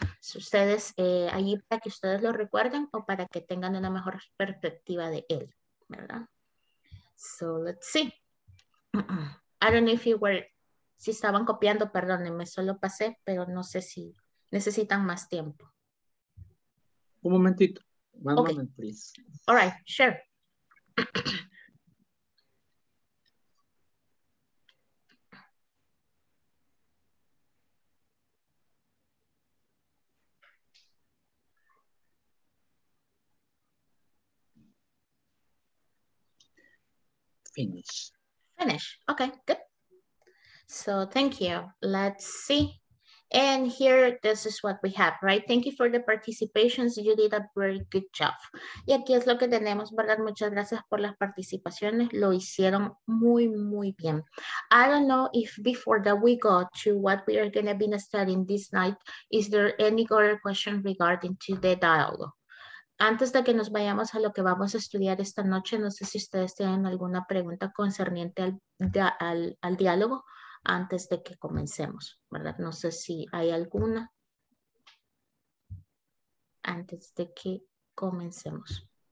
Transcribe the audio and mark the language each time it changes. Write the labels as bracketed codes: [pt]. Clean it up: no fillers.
[es] Si ustedes, ahí para que ustedes lo recuerden o para que tengan una mejor perspectiva de él, ¿verdad? [en] So, let's see. I don't know if you were... [es] Si estaban copiando, perdónenme, solo pasé, pero no sé si necesitan más tiempo. Un momentito. [en] One okay. Moment, please. All right, sure. Finish. Finish. Okay, good. So thank you. Let's see. And here, this is what we have, right? Thank you for the participations. You did a very good job. [es] Y aquí es lo que tenemos, ¿verdad? Muchas gracias por las participaciones. Lo hicieron muy, muy bien. [en] I don't know if before that we go to what we are going to be studying this night, is there any other question regarding to the dialogue? [es] Antes de que nos vayamos a lo que vamos a estudiar esta noche, no sé si ustedes tienen alguna pregunta concerniente al diálogo antes de que comencemos, ¿verdad? No sé si hay alguna antes de que comencemos.